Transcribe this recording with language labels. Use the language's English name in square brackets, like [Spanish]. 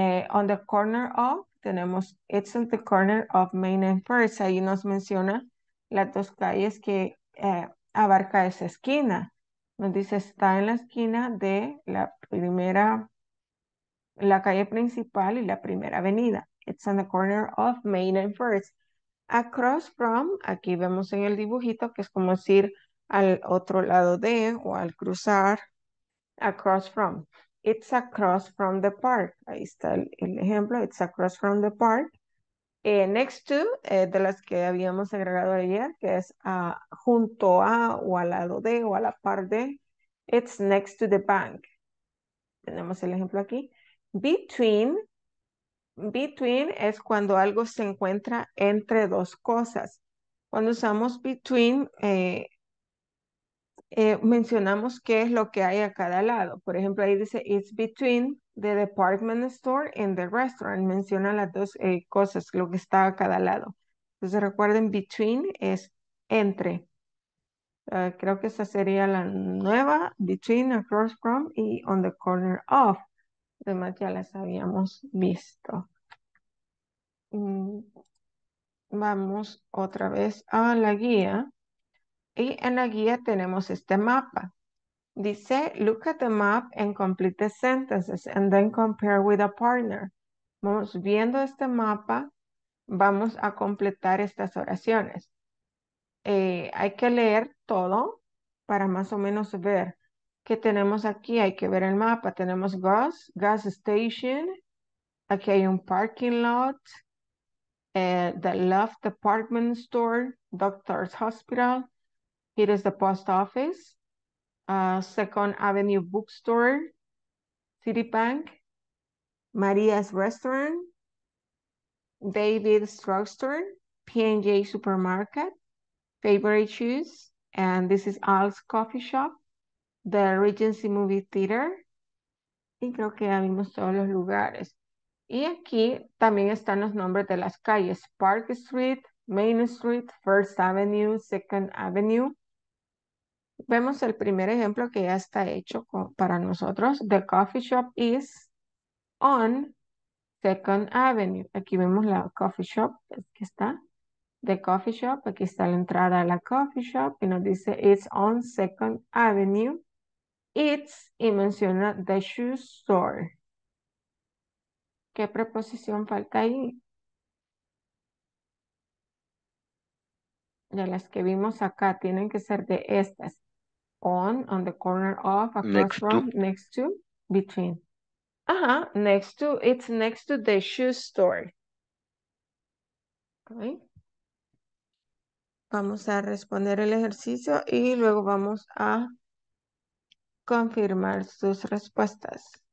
[English] On the corner of, [Spanish] tenemos, [English] it's on the corner of Main and First. [Spanish] Ahí nos menciona las dos calles que abarca esa esquina. Nos dice, está en la esquina de la primera, la calle principal y la primera avenida. [English] It's on the corner of Main and First. Across from, [Spanish] aquí vemos en el dibujito, que es como decir al otro lado de o al cruzar. [English] Across from. It's across from the park. [Spanish] Ahí está el ejemplo. [English] It's across from the park. [Spanish] Next to, de las que habíamos agregado ayer, que es junto a, o al lado de, o a la par de, [English] it's next to the bank. [Spanish] Tenemos el ejemplo aquí. Between es cuando algo se encuentra entre dos cosas. Cuando usamos between, mencionamos qué es lo que hay a cada lado. Por ejemplo, ahí dice, [English] it's between the department store and the restaurant. [Spanish] Menciona las dos cosas, lo que está a cada lado. Entonces recuerden, between es entre. Creo que esta sería la nueva, between, across from, y on the corner of. Además ya las habíamos visto. Vamos otra vez a la guía. Y en la guía tenemos este mapa. Dice, [English] look at the map and complete the sentences and then compare with a partner. [Spanish] Vamos viendo este mapa, vamos a completar estas oraciones. Hay que leer todo para más o menos ver qué tenemos aquí. Hay que ver el mapa. Tenemos gas station. Aquí hay un parking lot. [English] The love department store, doctor's hospital. Here is the post office, Second Avenue bookstore, Citibank, Maria's restaurant, David's drugstore, P&J supermarket, favorite shoes, and this is Al's coffee shop, the Regency movie theater. [Spanish] Y creo que ya vimos todos los lugares. Y aquí también están los nombres de las calles, Park Street, Main Street, First Avenue, Second Avenue. Vemos el primer ejemplo que ya está hecho para nosotros. [English] The coffee shop is on Second Avenue. [Spanish] Aquí vemos la coffee shop. Aquí está. [English] The coffee shop. [Spanish] Aquí está la entrada a la coffee shop. Y nos dice, [English] it's on Second Avenue. [Spanish] It's, y menciona, [English] the shoe store. [Spanish] ¿Qué preposición falta ahí? De las que vimos acá, tienen que ser de estas. [English] On the corner of, across from, next to, between. [Spanish] Ajá, [English] next to, it's next to the shoe store. Okay. [Spanish] Vamos a responder el ejercicio y luego vamos a confirmar sus respuestas.